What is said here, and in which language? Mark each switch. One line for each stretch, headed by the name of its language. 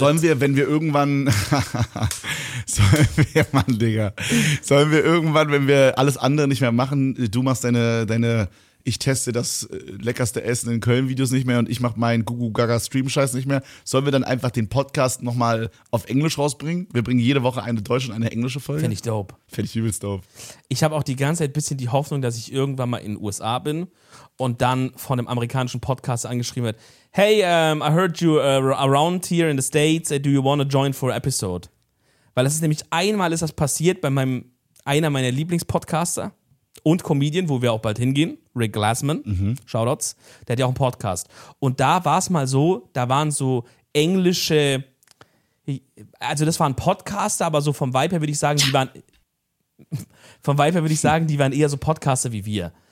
German: Sollen wir, wenn wir irgendwann, sollen wir irgendwann, wenn wir alles andere nicht mehr machen, du machst deine ich teste das leckerste Essen in Köln-Videos nicht mehr und ich mache meinen Gugu-Gaga-Stream-Scheiß nicht mehr. Sollen wir dann einfach den Podcast nochmal auf Englisch rausbringen? Wir bringen jede Woche eine deutsche und eine englische Folge. Fände ich dope. Fände ich übelst dope. Ich habe auch die ganze Zeit ein bisschen die Hoffnung, dass ich irgendwann mal in den USA bin und dann von einem amerikanischen Podcast angeschrieben wird.
English: Hey, I heard you around here in the States. Do you want to join for an episode?
German: Weil das ist nämlich einmal ist das passiert bei einer meiner Lieblingspodcaster. Und Comedian, wo wir auch bald hingehen, Rick Glassman, Shoutouts, der hat ja auch einen Podcast. Und da war es mal so, da waren so englische, also das waren Podcaster, aber so vom Vibe her würde ich sagen, die waren eher so Podcaster wie wir.